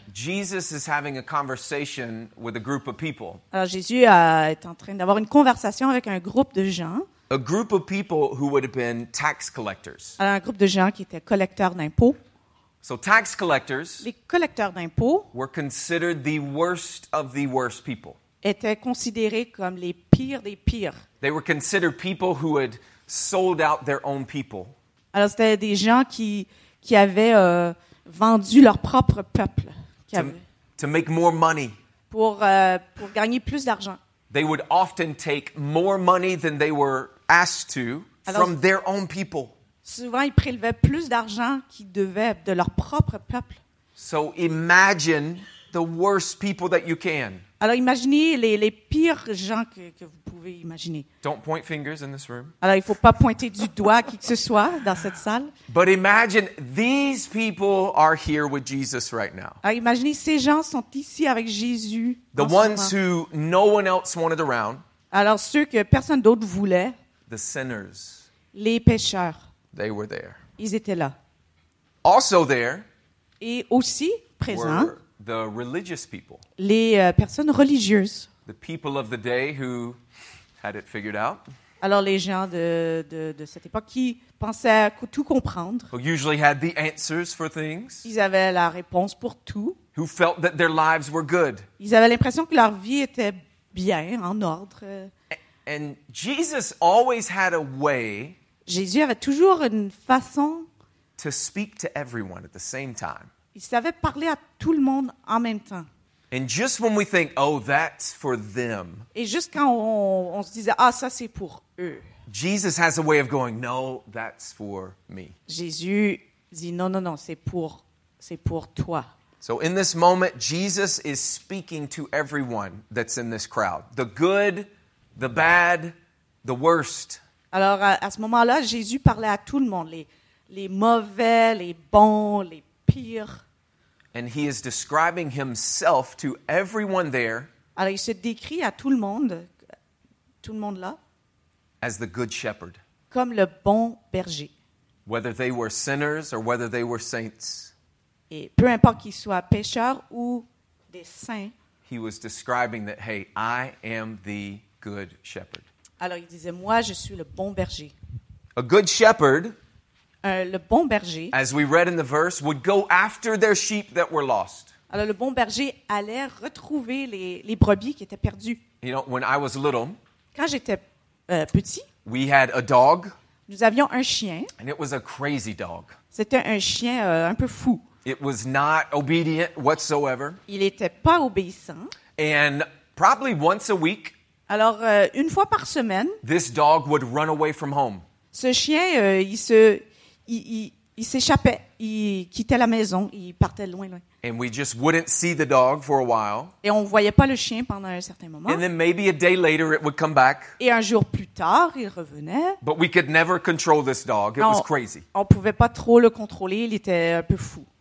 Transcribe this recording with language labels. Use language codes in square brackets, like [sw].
[en] Jesus is having a conversation with a group of people. [fr] Alors Jésus est en train d'avoir une conversation avec un groupe de gens. [en] A group of people who would have been tax collectors. [fr] Alors, un groupe de gens qui étaient collecteurs d'impôts. [en] So tax collectors. [fr] Les collecteurs d'impôts [en] were considered the worst of the worst people. [fr] Étaient considérés comme les pires des pires. [en] They were considered people who had sold out their own people. [fr] Alors c'était des gens qui avaient vendu leur propre peuple. [en] To make more money. [fr] Pour gagner plus d'argent. [en] They would often take more money than they were asked to. [fr] Alors, [en] from their own people. [fr] Souvent, ils prélevaient plus d'argent qu'ils devaient de leur propre peuple. [en] So imagine the worst people that you can. [fr] Alors imaginez les pires gens que vous pouvez imaginer. [en] Don't point fingers in this room. [fr] Alors il faut pas pointer du doigt qui que ce soit dans cette salle. [en] But imagine these people are here with Jesus right now. [fr] Alors imaginez ces gens sont ici avec Jésus. [en] The ones who no one else wanted around. [fr] Alors ceux que personne d'autre voulait. [en] The sinners. [fr] Les pécheurs. [en] They were there. [fr] Ils étaient là. [en] Also there. [fr] Et aussi présents. [en] The religious people. [fr] Les personnes religieuses. [en] The people of the day who had it figured out. [fr] Alors les gens de cette époque qui pensaient tout comprendre. [en] Who usually had the answers for things. [fr] Ils avaient la réponse pour tout. [en] Who felt that their lives were good. [fr] Ils avaient l'impression que leur vie était bien, en ordre. [en] And Jesus always had a way. [fr] Jésus avait toujours une façon. [en] To speak to everyone at the same time. [fr] Il savait parler à tout le monde en même temps. [en] And just when we think, oh, that's for them. [fr] Et juste quand on se disait, ah, ça c'est pour eux. [en] Jesus has a way of going, no, that's for me. [fr] Jésus dit, non, c'est pour toi. [en] So in this moment, Jesus is speaking to everyone that's in this crowd. The good, the bad, the worst. [fr] Alors à ce moment-là, Jésus parlait à tout le monde, les mauvais, les bons, les pires. [en] And he is describing himself to everyone there. [fr] Alors, il se décrit à tout le monde là. [en] As the good shepherd. [fr] Comme le bon berger. [en] Whether they were sinners or whether they were saints. [fr] Et peu importe qu'ils soient pécheurs ou des saints. [en] He was describing that, hey, I am the good shepherd. [fr] Alors, il disait, moi, je suis le bon berger. [en] A good shepherd. [fr] Le bon berger, [en] as we read in the verse, would go after their sheep that were lost. [fr] Alors le bon berger allait retrouver les brebis qui étaient perdues. [en] You know, when I was little, [fr] quand j'étais petit, [en] we had a dog. [fr] Nous avions un chien. [en] And it was a crazy dog. [fr] C'était un chien un peu fou. [en] It was not obedient whatsoever. [fr] Il n'était pas obéissant. [en] And probably once a week, [fr] alors une fois par semaine, [en] this dog would run away from home. [fr] Ce chien, il s'échappait, il quittait la maison, il partait loin. [en] And we just wouldn't see the dog for a while. [fr] Et on voyait pas le chien pendant un certain moment. [en] And then maybe a day later it would come back. [fr] Et un jour plus tard, il revenait. [en] But we could never control this dog. It was crazy. [fr] On pouvait pas trop le contrôler, il était un peu fou.